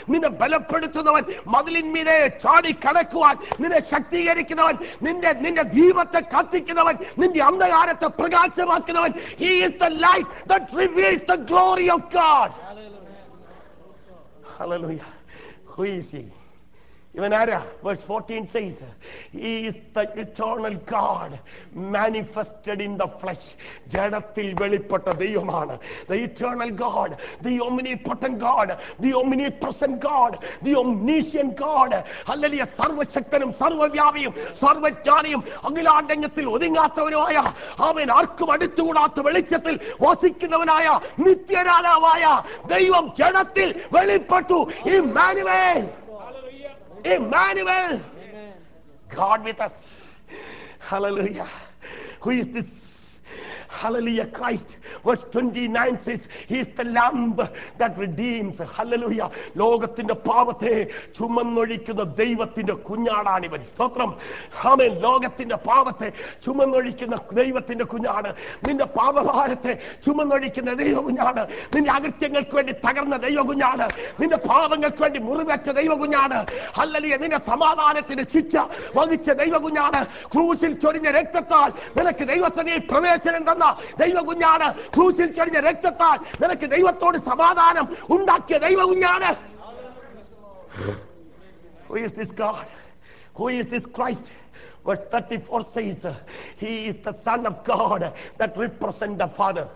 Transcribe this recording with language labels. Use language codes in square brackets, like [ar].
[ml] Ninde ബലപ്പെടുത്തുന്നവൻ മതിലിൻ മീതെ ചാടി കടക്കുവാൻ നിന്നെ ശക്തീകരിക്കുന്നവൻ നിന്റെ ദീപത്തെ കത്തിക്കുന്നവൻ നിന്റെ അന്ധകാരത്തെ പ്രകാശമാക്കുന്നവൻ [en] He is the light that reveals the glory of God. Hallelujah. Who is he? Even [ml] ആരാ? [en] Verse 14 says, He is the eternal God manifested in the flesh. [ml] ജഡത്തിൽ വെളിപ്പെട്ട ദൈവമാണ്. [en] The eternal God, the omnipotent God, the omnipresent God, the omniscient God. ഹല്ലേലൂയ. [ml] സർവശക്തനും സർവവ്യാപിയും സർവജ്ഞാനിയും അഖിലാണ്ടങ്ങത്തിൽ ഒതുങ്ങാത്തവനുമായ ആമേൻ ആർക്കും അടുത്തുകൂടാത്ത വെളിച്ചത്തിൽ വസിക്കുന്നവനായ നിത്യരാജാവായ ദൈവം ജഡത്തിൽ വെളിപ്പെട്ടു. [en] Immanuel. Emmanuel. Amen. God with us. Hallelujah. Who is this? Hallelujah. Christ. Verse 29 says, He is the Lamb that redeems. Hallelujah. [ml] ലോകത്തിന്റെ പാപത്തെ ചുമന്നൊഴിക്കുന്ന ദൈവത്തിന്റെ കുഞ്ഞാടാണ് ഇവൻ. സ്തോത്രം. ആമേൻ. ലോകത്തിന്റെ പാപത്തെ ചുമന്നൊഴിക്കുന്ന ദൈവത്തിന്റെ കുഞ്ഞാണ്. നിന്റെ പാപഭാരത്തെ ചുമന്നൊഴിക്കുന്ന ദൈവകുഞ്ഞാണ്. നിന്റെ അകൃത്യങ്ങൾക്ക് വേണ്ടി തകർന്ന ദൈവകുഞ്ഞാണ്. നിന്റെ പാപങ്ങൾക്ക് വേണ്ടി മുറിവേറ്റ ദൈവകുഞ്ഞാണ്. ഹല്ലേലൂയ. നിന്റെ സമാധാനത്തിന്റെ ശിക്ഷ വഹിച്ച ദൈവകുഞ്ഞാണ്. ക്രൂശിൽ ചൊരിഞ്ഞ രക്തത്താൽ നിനക്ക് ദൈവസന്നിധിയിൽ പ്രവേശനം തന്ന ദൈവകുഞ്ഞാണ്. ക്രൂശിൽ ചൊരിഞ്ഞ രക്തത്താൽ നിനക്ക് ദൈവത്തോട് സമാധാനം ഉണ്ടാക്കിയ ദൈവകുഞ്ഞാണ്. [en] Who is this God? Who is this Christ? Verse 34 says, He is the Son of God that represents the Father.